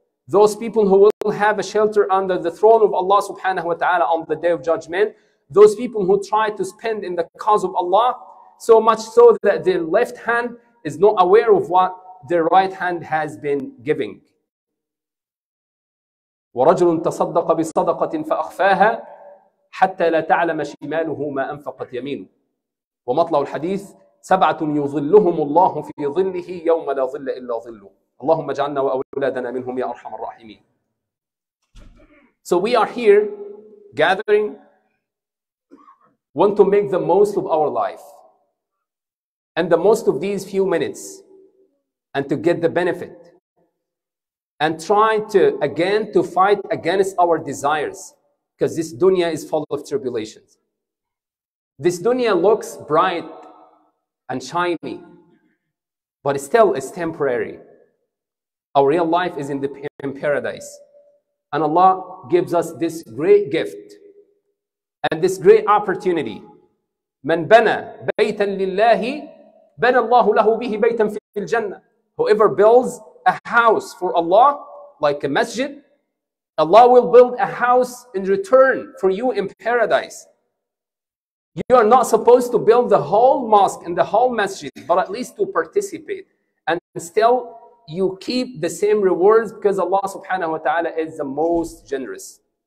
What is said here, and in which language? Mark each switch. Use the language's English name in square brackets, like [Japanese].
[English] Those people who will have a shelter under the throne of Allah subhanahu wa ta'ala on the day of judgment, those people who try to spend in the cause of Allah, so much so that their left hand is not aware of what their right hand has been giving. [Arabic] ورجل تصدق بصدقة فأخفاها حتى لا تعلم شماله ما أنفقت يمينه. ومطلع الحديث: سبعة يظلهم الله في ظله يوم لا ظل إلا ظله. اللهم اجعلنا وأولادنا منهم يا أرحم الراحمين. [English] So we are here gathering, want to make the most of our life and the most of these few minutes and to get the benefit and try to again to fight against our desires, because this dunya is full of tribulations. This dunya looks bright and shiny, but still it's temporary. Our real life is in paradise. And Allah gives us this great gift and this great opportunity. [Arabic] من بنى بيتا لله بنى الله له به بيتا في الجنة. [English] Whoever builds a house for Allah, like a masjid, Allah will build a house in return for you in paradise. You are not supposed to build the whole mosque and the whole masjid, but at least to participate. And still, you keep the same rewards because Allah subhanahu wa ta'ala is the most generous.